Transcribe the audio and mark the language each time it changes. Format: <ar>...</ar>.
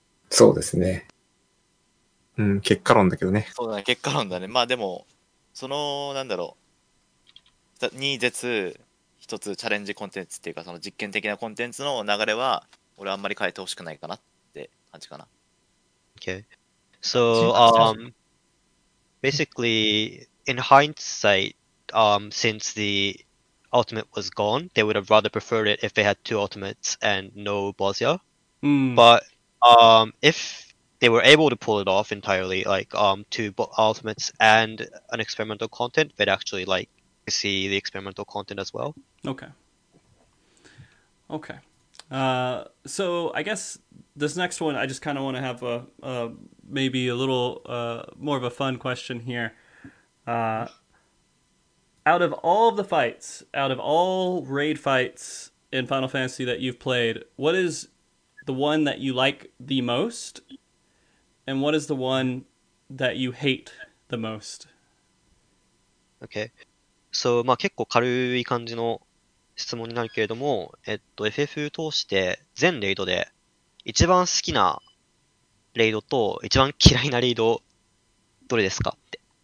<ja>そうですね。うん、結果論だけどね。そうだね、結果論だね。まあでも、その、なんだろう。 2、絶、1つチャレンジコンテンツっていうか、その実験的なコンテンツの流れは、俺あんまり変えてほしくないかなって感じかな。</ja> <en>Okay. So, basically, in hindsight, since the ultimate was gone, they would have rather preferred it if they had two ultimates and no Bosia.、 Mm. But, if... they were able to pull it off entirely, like two ultimates and an experimental content, they'd actually like to see the experimental content as well. Okay. Okay. So I guess this next one, I just kind of want to have a maybe a little more of a fun question here. Out of all of the fights, out of all raid fights in Final Fantasy that you've played, what is the one that you like the most? And what is the one that you hate the most? Okay.</en> <ja>So, まあ結構軽い感じの質問になるけれども、FF 通して全レイドで一番好きなレイドと一番嫌いなレイドどれですかって。</ja>